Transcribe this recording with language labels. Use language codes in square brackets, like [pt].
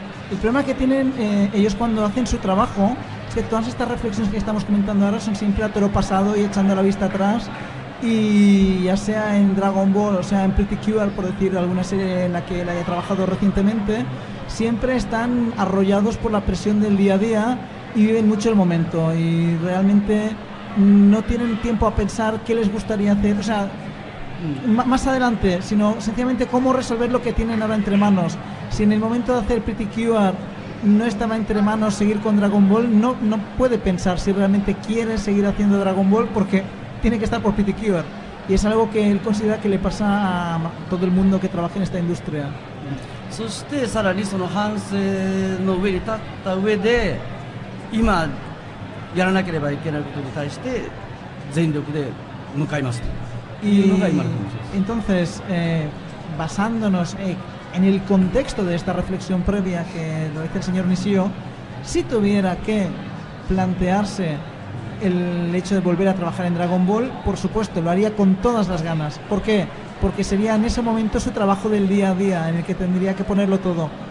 [es] El problema que tienen ellos cuando hacen su trabajo es que todas estas reflexiones que estamos comentando ahora son siempre a toro pasado y echando la vista atrás, y ya sea en Dragon Ball o sea en Pretty Cure, por decir alguna serie en la que él haya trabajado recientemente, siempre están arrollados por la presión del día a día y viven mucho el momento y realmente no tienen tiempo a pensar qué les gustaría hacer, o sea, más adelante, sino sencillamente cómo resolver lo que tienen ahora entre manos. Si en el momento de hacer Pretty Cure no estaba entre manos seguir con Dragon Ball, no puede pensar si realmente quiere seguir haciendo Dragon Ball porque tiene que estar por Pretty Cure. Y es algo que él considera que le pasa a todo el mundo que trabaja en esta industria. [ja] そしてさらにその反省の上に立った上で今やらなければいけないことに対して全力で向かいますというのが今の気持ちです。 [es] Entonces, basándonos en el contexto de esta reflexión previa que lo dice el señor Nishio, si tuviera que plantearse el hecho de volver a trabajar en Dragon Ball, por supuesto, lo haría con todas las ganas. ¿Por qué? Porque sería en ese momento su trabajo del día a día, en el que tendría que ponerlo todo.